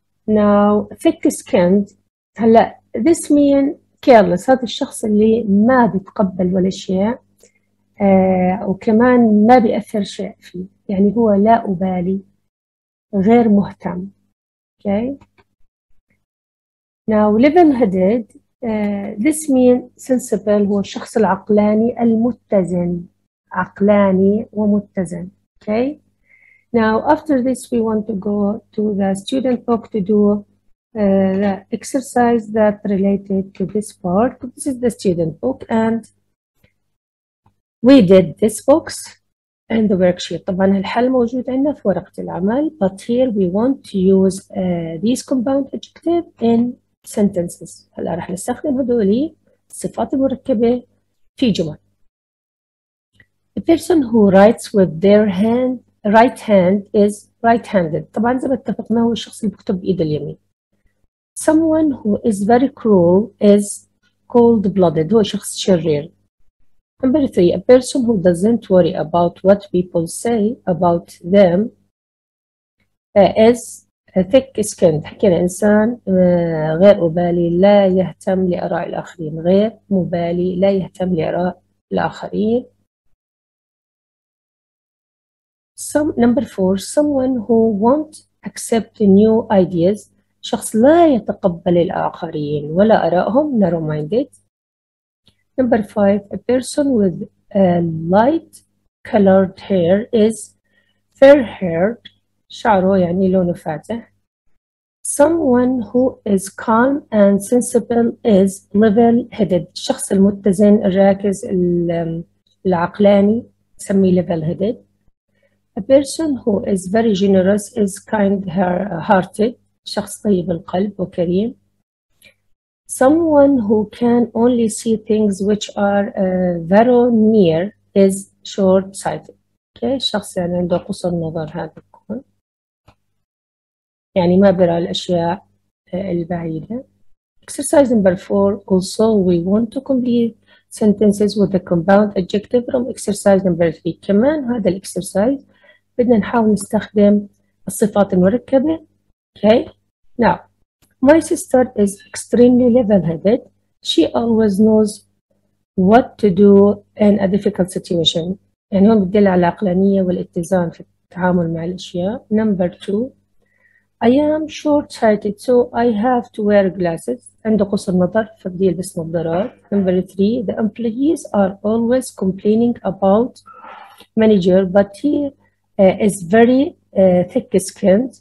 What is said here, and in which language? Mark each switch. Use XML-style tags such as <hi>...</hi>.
<ar>now thick-skinned, هلا</ar> <en>this mean careless,</en> <ar>هذا الشخص اللي ما بيتقبل ولا شيء وكمان ما بيأثر شيء فيه, يعني هو لا أبالي, غير مهتم.</ar> <en>Okay.</en> <ar>Now level-headed,</ar> <en>this means sensible,</en> <ar>هو الشخص العقلاني المتزن, عقلاني ومتزن.</ar> <en>Okay. Now after this we want to go to the student book to do the exercise that related to this part. This is the student book and we did this box and the worksheet.</en> <ar>طبعا الحل موجود عندنا في ورقة العمل,</ar> <en>but here we want to use these compound adjectives in sentences.</en> <ar>هلا رح نستخدم هذول الصفات المركبة في جمل.</ar> <en>The person who writes with their hand, right hand, is right-handed.</en> <ar>طبعا زي ما اتفقنا هو الشخص اللي بكتب بإيده اليمين.</ar> <en>Someone who is very cruel is cold-blooded.</en> <ar>هو شخص شرير.</ar> <en>Number three, a person who doesn't worry about what people say about them is thick-skinned.</en> <ar>حكينا إنسان غير مبالي, لا يهتم لأراء الآخرين, غير مبالي, لا يهتم لأراء الآخرين.</ar> <en>Number four, someone who won't accept new ideas.</en> <ar>شخص لا يتقبل الآخرين ولا أراءهم, narrow-minded.</ar> <en>Number five, a person with light colored hair is fair haired.</en> <ar>شعره يعني لونه فاتح.</ar> <en>Someone who is calm and sensible is level headed.</en> <ar>الشخص المتزن الراكز العقلاني سمي level headed.</ar> <en>A person who is very generous is kind hearted.</en> <ar>شخص طيب القلب وكريم.</ar> <en>Someone who can only see things which are very near is short sighted.</en> <ar>Okay. شخص يعني عنده قصر نظر هذا. يعني ما برى الأشياء البعيدة.</ar> <en>Exercise number 4. Also, we want to complete sentences with a compound adjective from exercise number 3.</en> <ar>كمان هذا الexercise بدنا نحاول نستخدم الصفات المركبة.</ar> <en>Okay. Now, my sister is extremely level-headed. She always knows what to do in a difficult situation.</en> <ar>يعني هون بدل على العقلانية والاتزان في التعامل مع الأشياء.</ar> <en>Number 2. I am short-sighted, so I have to wear glasses.</en> <ar>عنده قصر نظر فبدي يلبس نظارات.</ar> <en>Number 3, the employees are always complaining about manager, but he is very thick-skinned.</en>